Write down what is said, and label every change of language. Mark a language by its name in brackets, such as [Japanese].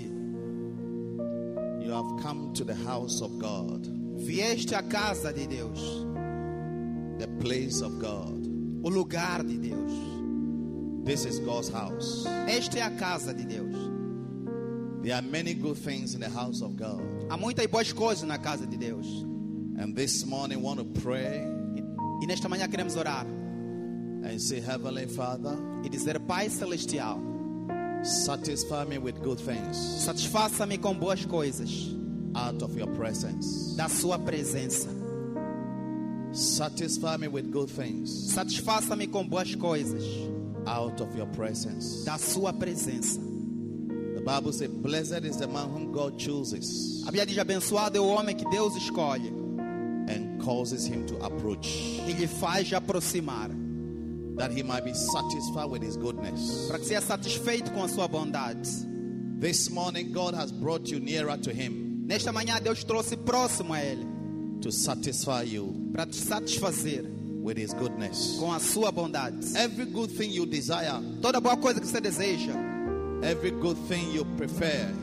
[English] You have come to the house of God. [Portuguese] Vieste à casa de Deus. [English] The place of God. [Portuguese] O lugar de Deus. [English] This is God's house. [Portuguese] Esta é a casa de Deus. [English] There are many good things in the house of God. [Portuguese] Há muitas boas coisas na casa de Deus. [English] And this morning we want to pray. [Portuguese] E nesta manhã queremos orar. [English] And say, Heavenly Father. [Portuguese] E dizer, Pai Celestial. [English] Satisfy me with good things. [Portuguese] Satisfaça-me com boas coisas. [English] Out of your presence. [Portuguese] Da sua presença. [English] Satisfy me with good things. [Portuguese] Satisfaça-me com boas coisas. [English] Out of your presence. [Portuguese] Da sua presença. [English] The Bible says, blessed is the man whom God chooses. [Portuguese] A Bíblia diz, abençoado é o homem que Deus escolhe. [English] And causes him to approach. [Portuguese] E lhe faz aproximar. [English] That he might be satisfied with his goodness. [Portuguese] Para que seja satisfeito com a sua bondade. [English] This morning God has brought you nearer to him. [Portuguese] Nesta manhã Deus trouxe próximo a ele. [English] To satisfy you. [Portuguese] Para te satisfazer. [English] With his goodness. [Portuguese] Com a sua bondade. [English] Every good thing you desire. [Portuguese] Toda boa coisa que você deseja. [English] Every good thing you prefer.